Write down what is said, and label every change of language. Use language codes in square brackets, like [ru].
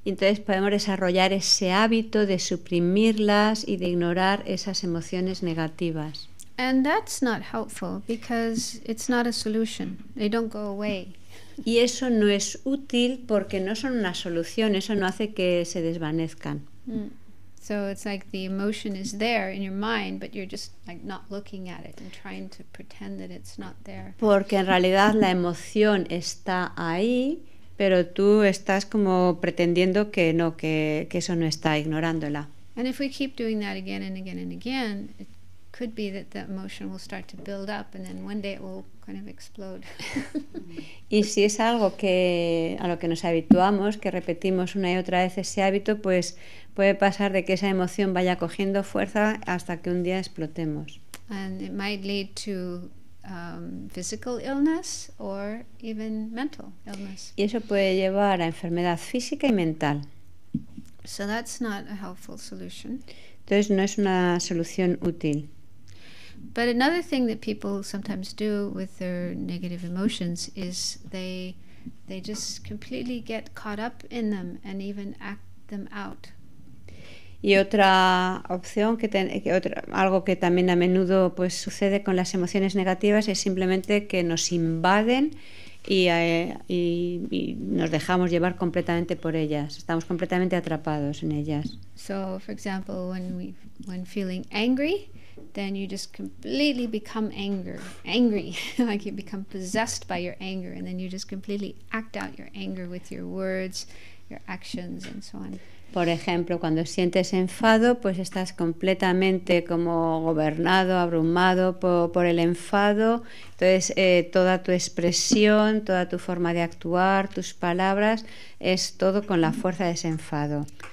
[es] Entonces podemos desarrollar ese hábito de suprimirlas y de ignorar esas emociones negativas. [en] And that's not helpful because it's not a solution. They don't go away. [es] Y eso no es útil porque no son una solución, eso no hace que se desvanezcan. [en] So it's like the emotion is there in your mind, but you're just like not looking at it and trying to pretend that it's not there. [es] Porque en realidad la emoción está ahí, pero tú estás como pretendiendo que no, que eso no está, ignorándola. [en] And if we keep doing that again and again and again, it could be that the emotion will start to build up and then one day it will kind of explode. [es] Y si es algo que a lo que nos habituamos, que repetimos una y otra vez ese hábito, pues puede pasar de que esa emoción vaya cogiendo fuerza hasta que un día explotemos. [en] And it might lead to physical illness or even mental illness. [es] Y eso puede llevar a enfermedad física y mental. [en] So that's not a helpful solution. [es] Entonces no es una solución útil. [en] But another thing that people sometimes do with their negative emotions is they just completely get caught up in them and even act them out. [es] Y otra opción algo que también a menudo pues sucede con las emociones negativas es simplemente que nos invaden y nos dejamos llevar completamente por ellas, estamos completamente atrapados en ellas. [en] So for example, when feeling angry, then you just completely become angry like you become possessed by your anger, and then you just completely act out your anger with your words, your actions, and so on. [es] Por ejemplo, cuando sientes enfado, pues estás completamente como gobernado, abrumado por el enfado. Entonces, toda tu expresión, toda tu forma de actuar, tus palabras, es todo con la fuerza de ese enfado.